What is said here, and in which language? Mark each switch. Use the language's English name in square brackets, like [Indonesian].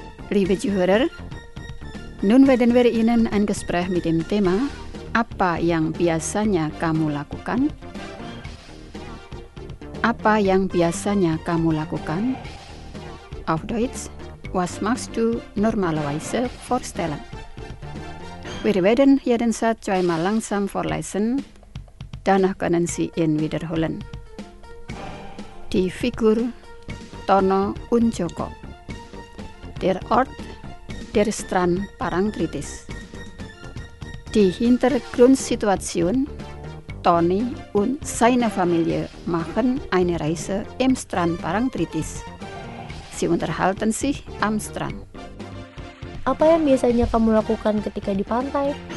[German] Liebe Zuhörer, nun werden wir Ihnen ein Gespräch mit dem Thema [Indonesian] Apa yang biasanya kamu lakukan? Apa yang biasanya kamu lakukan? [German] Auf Deutsch, was machst du normalerweise vorstellen? Wir werden jeden Satz zweimal langsam vorlesen, danach können Sie ihn wiederholen. Die Figur Tono und Joko. Der Ort, der Strand Parangtritis. Die Hintergrundsituation: Toni und seine Familie machen eine Reise im Strand Parangtritis. Sie unterhalten sich am Strand. [Indonesian] Apa yang biasanya kamu lakukan ketika di pantai?